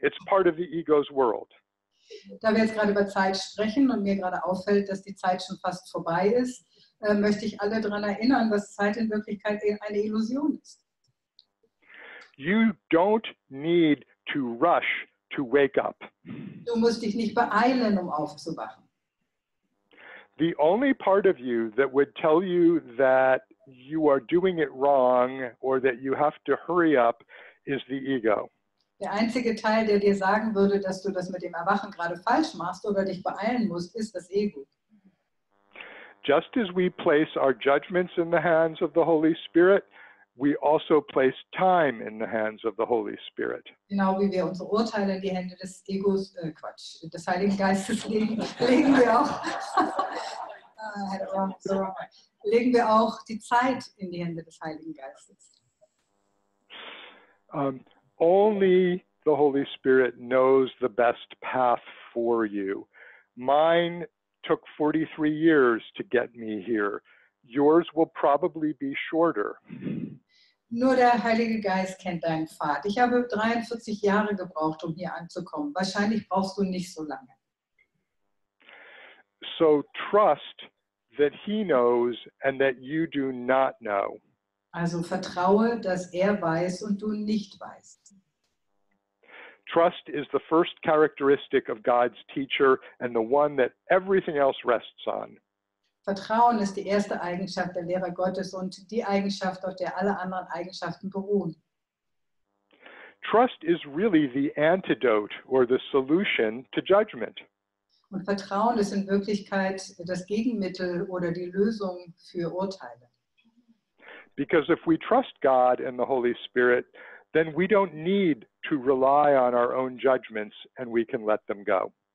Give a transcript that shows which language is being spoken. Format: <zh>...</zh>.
<en>It's part of the ego's world.</en> <de>Da wir jetzt gerade über Zeit sprechen und mir gerade auffällt, dass die Zeit schon fast vorbei ist, möchte ich alle daran erinnern, dass Zeit in Wirklichkeit eine Illusion ist.</de> <en>You don't need to rush to wake up.</en> <de>Du musst dich nicht beeilen, um aufzuwachen.</de> <en>The only part of you that would tell you that you are doing it wrong or that you have to hurry up is the ego.</en> <de>Der einzige Teil, der dir sagen würde, dass du das mit dem Erwachen gerade falsch machst oder dich beeilen musst, ist das Ego.</de> <en>Just as we place our judgments in the hands of the Holy Spirit, we also place time in the hands of the Holy Spirit.</en> <de>Genau wie wir unsere Urteile in die Hände des Egos, des Heiligen Geistes legen wir auch, legen wir auch die Zeit in die Hände des Heiligen Geistes.</de> <en>Only the Holy Spirit knows the best path for you. mine took 43 years to get me here. Yours will probably be shorter.</en> <de>Nur der Heilige Geist kennt deinen Pfad. Ich habe 43 Jahre gebraucht, um hier anzukommen. Wahrscheinlich brauchst du nicht so lange.</de> <en>So trust that he knows and that you do not know.</en> <de>Also vertraue, dass weiß und du nicht weißt.</de> <en>Trust is the first characteristic of God's teacher and the one that everything else rests on.</en> <de>Vertrauen ist die erste Eigenschaft der Lehrer Gottes und die Eigenschaft, auf der alle anderen Eigenschaften beruhen.</de> <en>Trust is really the antidote or the solution to judgment.</en> <de>Und Vertrauen ist in Wirklichkeit das Gegenmittel oder die Lösung für Urteile.</de> <en>Because if we trust God and the Holy Spirit, then we don't need to rely on our own judgments and we can let them go.</en>